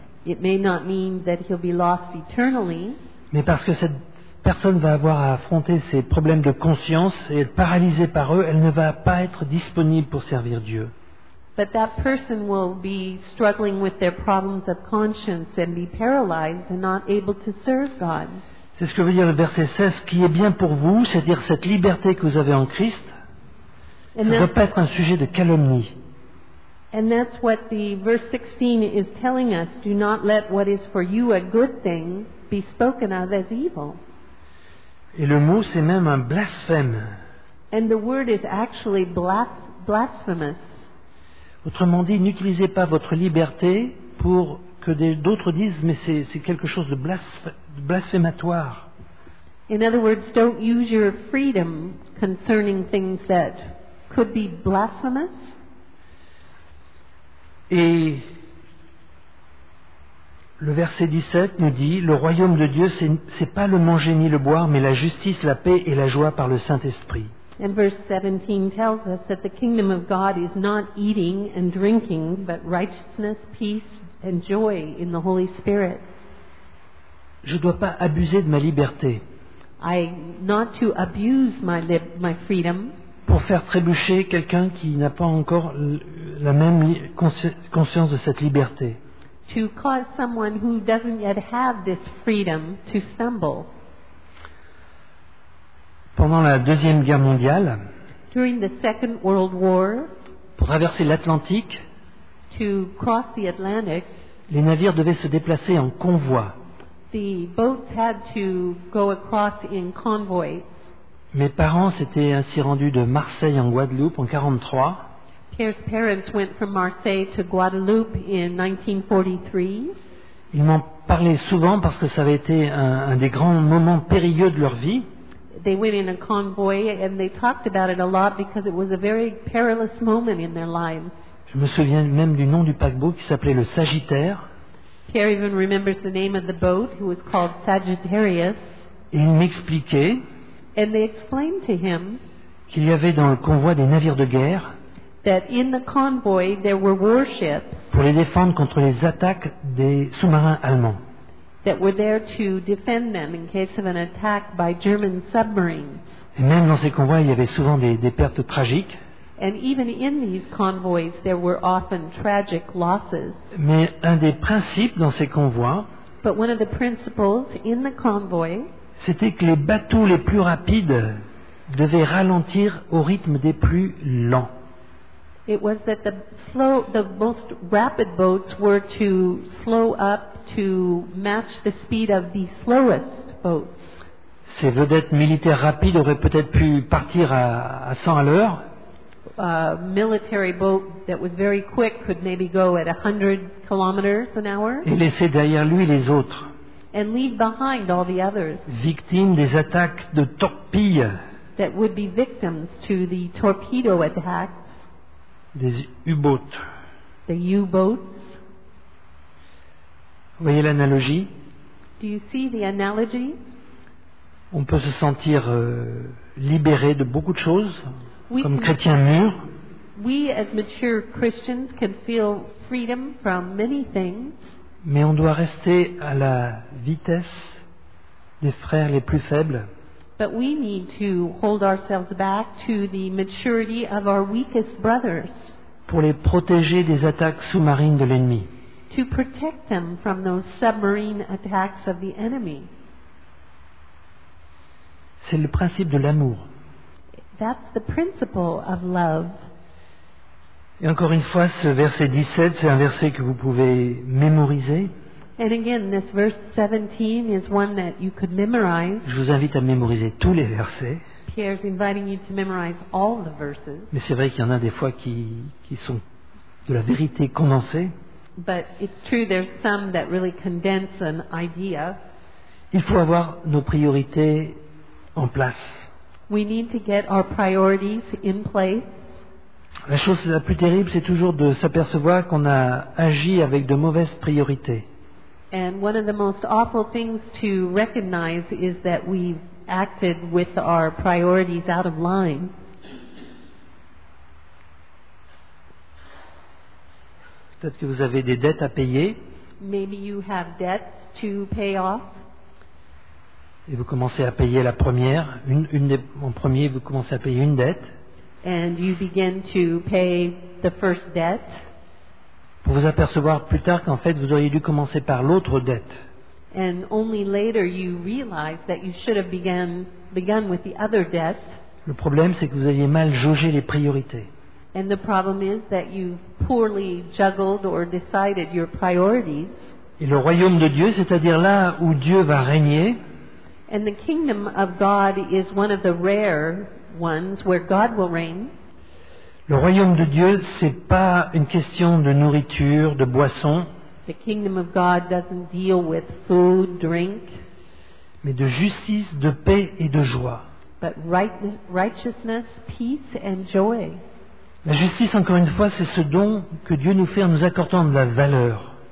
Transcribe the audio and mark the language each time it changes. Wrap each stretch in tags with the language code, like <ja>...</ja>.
<en>It may not mean that he'll be lost eternally.</en> <fr>Mais parce que cette personne va avoir à affronter ses problèmes de conscience et être paralysée par eux, elle ne va pas être disponible pour servir Dieu.</fr> <en>But that person will be struggling with their problems of conscience and be paralyzed and not able to serve God.</en> <fr>C'est ce que veut dire le verset 16, qui est bien pour vous, c'est-à-dire cette liberté que vous avez en Christ, ça ne doit pas être un sujet de calomnie.</fr> <en>And that's what the verse 16 is telling us, do not let what is for you a good thing be spoken of as evil.</en> <fr>Et le mot, c'est même un blasphème.</fr> <en>And the word is actually blasphemous.</en> <fr>Autrement dit, n'utilisez pas votre liberté pour que d'autres disent, mais c'est quelque chose de blasphématoire.</fr> <en>In other words, don't use your freedom concerning things that could be blasphemous.</en> <fr>Et le verset 17 nous dit, le royaume de Dieu, c'est pas le manger ni le boire, mais la justice, la paix et la joie par le Saint-Esprit.</fr> <en>And verse 17 tells us that the kingdom of God is not eating and drinking, but righteousness, peace and joy in the Holy Spirit.</en> <fr>Je ne dois pas abuser de ma liberté.</fr> <en>Not to abuse my freedom.</en> <fr>Pour faire trébucher quelqu'un qui n'a pas encore la même conscience de cette liberté.</fr> <en>To cause someone who doesn't yet have this freedom to stumble.</en> <fr>Pendant la Deuxième Guerre mondiale,</fr> <en>during the Second World War,</en> <fr>pour traverser l'Atlantique,</fr> <en>to cross the Atlantic,</en> <fr>les navires devaient se déplacer en convoi.</fr> <en>The boats had to go across in convoy.</en> <fr>Mes parents s'étaient ainsi rendus de Marseille en Guadeloupe en 1943.</fr> <en>Pierre's parents went from Marseille to Guadeloupe in 1943.</en> <fr>Ils m'en parlaient souvent parce que ça avait été un des grands moments périlleux de leur vie.</fr> <en>They went in a convoy and they talked about it a lot because it was a very perilous moment in their lives.</en> <fr>Je me souviens même du nom du paquebot qui s'appelait le Sagittaire.</fr> <en>Pierre even remembers the name of the boat, who was called Sagittarius.</en> <fr>Et il m'expliquait,</fr> <en>and they explained to him,</en> <fr>qu'il y avait dans le convoi des navires de guerre,</fr> <en>that in the convoy there were warships,</en> <fr>pour les défendre contre les attaques des sous-marins allemands.</fr> <en>That were there to defend them in case of an attack by German submarines.</en> <fr>Et même dans ces convois, il y avait souvent des pertes tragiques.</fr> <en>And even in these convoys, there were often tragic losses.</en> <fr>Mais un des principes dans ces convois,</fr> <en>but one of the principles in the convoy,</en> <fr>c'était que les bateaux les plus rapides devaient ralentir au rythme des plus lents.</fr> <en>It was that the most rapid boats were to slow up to match the speed of the slowest boats.</en> <fr>Ces vedettes militaires rapides auraient peut-être pu partir à 100 à l'heure.</fr> <en>A military boat that was very quick could maybe go at 100 kilometers an hour.</en> <fr>Et laisser derrière lui les autres.</fr> <en>And leave behind all the others.</en> <fr>Victimes des attaques de torpilles.</fr> <en>That would be victims to the torpedo attacks.</en> <fr>Des U-boats.</fr> <en>The U-boats.</en> <fr>Vous voyez l'analogie?</fr> <en>Do you see the analogy?</en> <fr>On peut se sentir libéré de beaucoup de choses, comme chrétien mûr.</fr> <en>We as mature Christians can feel freedom from many things.</en> <fr>Mais on doit rester à la vitesse des frères les plus faibles.</fr> <en>But we need to hold ourselves back to the maturity of our weakest brothers.</en> <fr>Pour les protéger des attaques sous-marines de l'ennemi.</fr> <en>To protect them from those submarine attacks of the enemy.</en> <fr>C'est le principe de l'amour.</fr> <en>That's the principle of love.</en> <fr>Et encore une fois, ce verset 17, c'est un verset que vous pouvez mémoriser.</fr> <en>And again, this verse 17 is one that you could memorize.</en> <fr>Je vous invite à mémoriser tous les versets.</fr> <en>Pierre's inviting you to memorize all the verses.</en> <fr>Mais c'est vrai qu'il y en a des fois qui sont de la vérité condensée.</fr> <en>But it's true there's some that really condense an idea.</en> <fr>Il faut avoir nos priorités en place.</fr> <en>We need to get our priorities in place.</en> <fr>La chose la plus terrible, c'est toujours de s'apercevoir qu'on a agi avec de mauvaises priorités.</fr> <en>And one of the most awful things to recognize is that we've acted with our priorities out of line.</en> <fr>Peut-être que vous avez des dettes à payer.</fr> <en>Maybe you have debts to pay off.</en> <fr>Et vous commencez à payer la première, en premier, vous commencez à payer une dette.</fr> <en>And you begin to pay the first debt.</en> <fr>Pour vous apercevoir plus tard qu'en fait, vous auriez dû commencer par l'autre dette.</fr> <en>And only later you realize that you should have begun with the other debt.</en> <fr>Le problème, c'est que vous aviez mal jaugé les priorités.</fr> <en>And the problem is that you poorly juggled or decided your priorities.</en> <fr>Et le royaume de Dieu, c'est-à-dire là où Dieu va régner.</fr> <en>And the kingdom of God is one of the rare ones where God will reign.</en> <fr>Le royaume de Dieu, c'est pas une question de nourriture, de boisson.</fr> <en>The kingdom of God doesn't deal with food, drink.</en> <fr>Mais de justice, de paix et de joie.</fr> <en>But righteousness, peace and joy.</en> <fr>La justice, encore une fois, c'est ce don que Dieu nous fait en nous accordant de la valeur.</fr>